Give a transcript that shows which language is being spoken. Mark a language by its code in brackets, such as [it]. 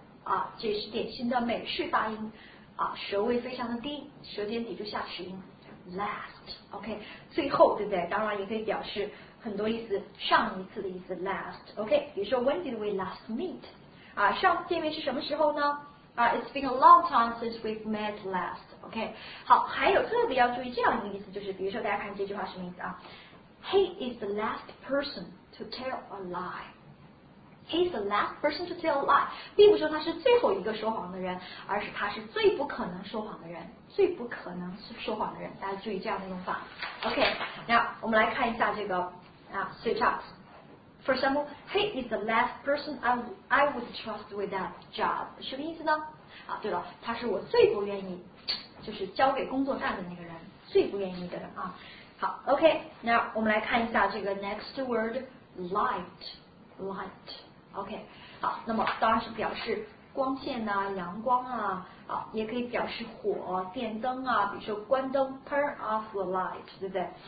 [zh] 啊，这是典型的美式发音，啊，舌位非常的低，舌尖抵住下齿音 ，last. OK, 最后对不对？当然也可以表示很多意思，上一次的意思 ，last. [en] OK, [zh] 比如说 [en] When did we last meet? [zh] 啊，上次见面是什么时候呢？ [en] 啊 ，It's been a long time since we've met last. [zh] OK, 好，还有特别要注意这样一个意思，就是比如说大家看这句话什么意思啊 ？ [en] He is the last person to tell a lie. He's the last person to tell a lie. [zh] 并不是说他是最后一个说谎的人，而是他是最不可能说谎的人，最不可能说谎的人。大家注意这样的用法。OK, now 我们来看一下这个啊 switch up. [en] For example, he is the last person I would trust with that job. [zh] 什么意思呢？啊，对了，他是我最不愿意就是交给工作干的那个人，最不愿意的人啊。好 ，OK, now 我们来看一下这个 next word, light. Light, OK, 好，那么当然是表示光线啊，阳光啊，啊，也可以表示火、电灯啊，比如说关灯 ， [en] turn off the light, [zh] 对不对？